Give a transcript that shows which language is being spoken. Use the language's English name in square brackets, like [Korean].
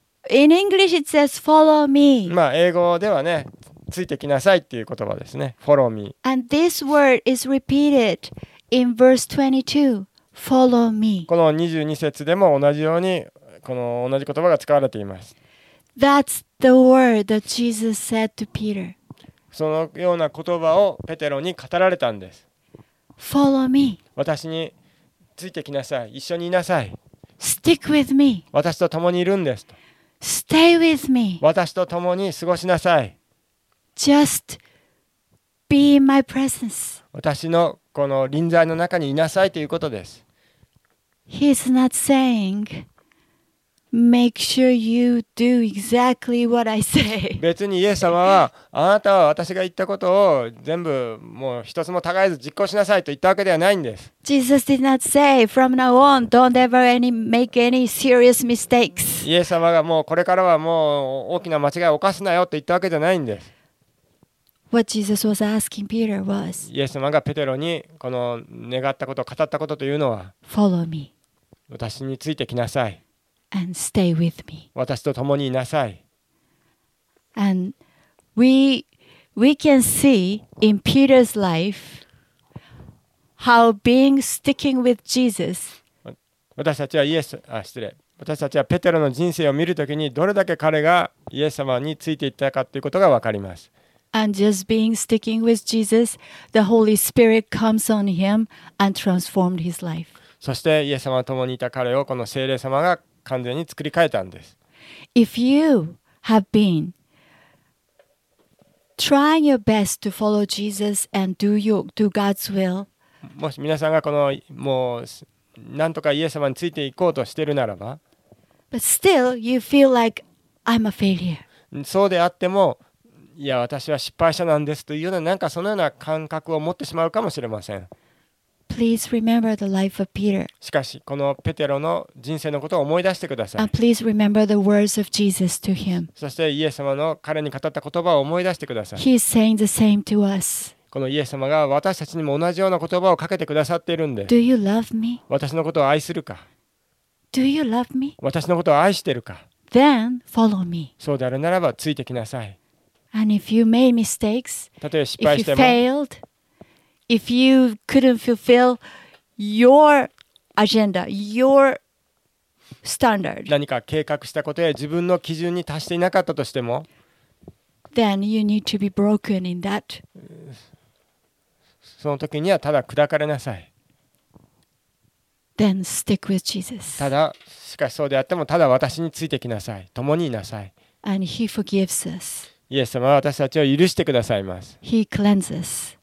[English] In English, it says "follow me." [Japanese] まあ英語ではね、ついてきなさいっていう言葉ですね。 [English] Follow me. And this word is repeated in verse 22. Follow me. [Japanese] この22節でも同じようにこの同じ言葉が使われています。 [English] That's the word that Jesus said to Peter. [Japanese] そのような言葉をペテロに語られたんです。 [English] Follow me. [Japanese] 私についてきなさい。一緒にいなさい。 [English] Stick with me. [Japanese] 私と共にいるんですと。 [English] Stay with me. [Japanese] 私と共に過ごしなさい。 [English] Just be in my presence. [Japanese] 私のこの臨在の中にいなさいということです。 [English] He's not saying, make sure you do exactly what I say. [Japanese] 別にイエス様は、あなたは私が言ったことを全部もう一つも違えず実行しなさいと言ったわけではないんです。 [English] Jesus did not say, from now on, don't ever make any serious mistakes. [Japanese] イエス様がもうこれからはもう大きな間違いを犯すなよと言ったわけじゃないんです。 [English] What Jesus was asking Peter was, [Japanese] イエス様がペテロにこの願ったこと、語ったことというのは、 [English] Follow me. [Japanese] 私についてきなさい。 [English] And stay with me. [Japanese] 私と共にいなさい。 [English] And we can see in Peter's life,How being sticking with Jesus. [Japanese] 私たちはイエス、失礼。私たちはペテロの人生を見るときにどれだけ彼がイエス様についていったかということがわかります。 [English] And just being sticking with Jesus, the Holy Spirit comes on him and transformed his life. [Japanese] そしてイエス様と共にいた彼をこの聖霊様が完全に作り変えたんです。 [English] If you have been trying your best to follow Jesus and do your do God's will. [Japanese] もし皆さんがこのもうなんとかイエス様についていこうとしてるならば、 [English] But still you feel like I'm a failure. [Japanese] そうであっても、いや私は失敗者なんですというようななんかそのような感覚を持ってしまうかもしれません。 [English] Please remember the life of Peter. [Japanese] しかしこのペテロの人生のことを思い出してください。 [English] And please remember the words of Jesus to him. [Japanese] そしてイエス様の彼に語った言葉を思い出してください。 [English] He is saying the same to us. [Japanese] このイエス様が私たちにも同じような言葉をかけてくださっているんで。 [English] Do you love me? [Japanese] 私のことを愛するか。 [English] Do you love me? [Japanese] 私のことを愛してるか。 [English] Then follow me. [Japanese] そうであるならばついてきなさい。 [English] And if you made mistakes, [Japanese] 例えば失敗しても。 [English] If you failed,If you couldn't fulfill your agenda, your standard, [Japanese] 何か計画したことや自分の基準に達していなかったとしても、 [English] then you need to be broken in that. [Japanese] その時にはただ砕かれなさい。 [English] Then stick with Jesus. [Japanese] ただ、しかしそうであっても、ただ私についてきなさい。共にいなさい。 [English] And he forgives us. [Japanese] イエス様は私たちを許してくださいます。 [English] He cleanses.